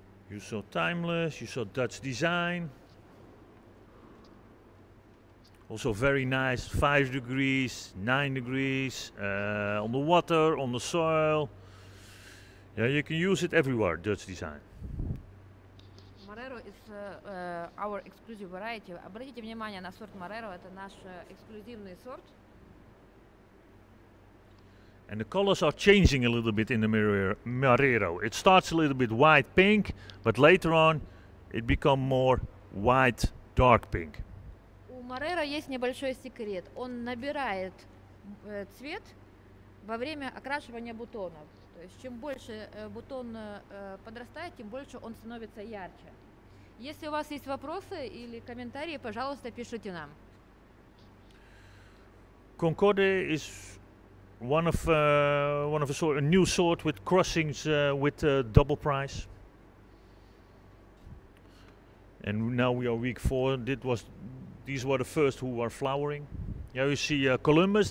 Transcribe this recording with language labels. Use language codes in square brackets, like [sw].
[en] You saw Timeless, you saw Dutch Design. Also very nice, 5 degrees, 9 degrees, on the water, on the soil. Yeah, you can use it everywhere, Dutch Design. Marrero is our exclusive variety. [ru] Обратите внимание на сорт Marrero, это наш эксклюзивный сорт. [en] And the colors are changing a little bit in the Marrero. It starts a little bit white pink, but later on it becomes more white dark pink. [ru] У Marrero есть небольшой секрет. Он набирает цвет во время окрашивания бутонов. То есть чем больше бутон подрастает, тем больше он становится ярче. Если у вас есть вопросы или комментарии, пожалуйста, пишите нам. [en] Concorde is one of a new sort with crossings with double price, and now we are week four. These were the first who are flowering. Yeah, you see Columbus.